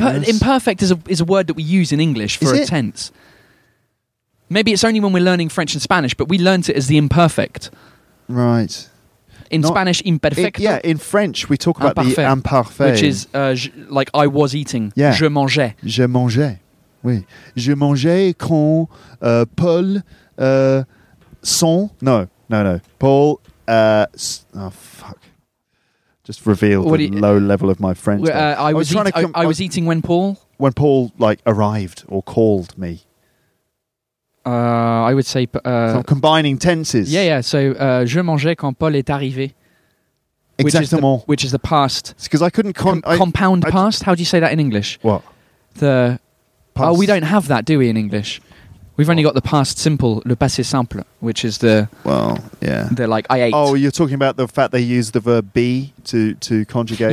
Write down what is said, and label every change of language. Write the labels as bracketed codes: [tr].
[en] But I've heard imperfect is a word that we use in English for tense. Maybe it's only when we're learning French and Spanish, but we learnt it as the imperfect. Right. Spanish, imperfecto. Yeah, in French, we talk about imparfait, the imparfait. Which is like, I was eating. Yeah. [fr] Je mangeais. Je mangeais. Oui. Je mangeais quand Paul son... [en] No. Paul... fuck. Just revealed the low level of my French. I was eating when Paul... When Paul, like, arrived or called me. I would say... So combining tenses. Yeah. [fr] So, je mangeais quand Paul est arrivé. Exactement. [en] Which is the past. It's because I couldn't... Compound past? How do you say that in English? What? The... Past. Oh, we don't have that, do we, in English? We've only got the past simple, le passé simple, which is the... Well, yeah. They're like, I ate. Oh, you're talking about the fact they use the verb be to conjugate.